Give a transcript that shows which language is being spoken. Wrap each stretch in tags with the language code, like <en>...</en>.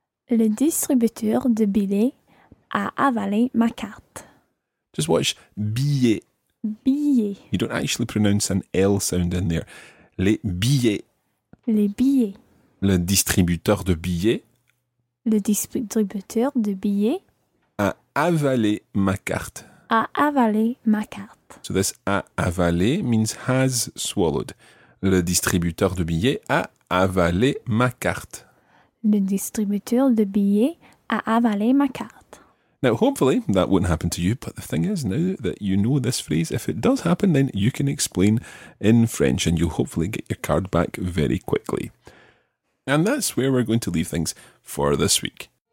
<fr>Le distributeur de billets a avalé ma carte.</fr> <en>Just watch billet.</en> <fr>Billet.</fr> <en>You don't actually pronounce an L sound in there.</en> <fr>Les billets. Les billets. Le distributeur de billets. Le distributeur de billets a avalé ma carte. A avalé ma carte.</fr> <en>So this a avalé means has swallowed.</en> <fr>Le distributeur de billets a avalé ma carte. Le distributeur de billets a avalé ma carte.</fr> <en>Now, hopefully, that won't happen to you, but the thing is, now that you know this phrase, if it does happen, then you can explain in French and you'll hopefully get your card back very quickly. And that's where we're going to leave things for this week.</en>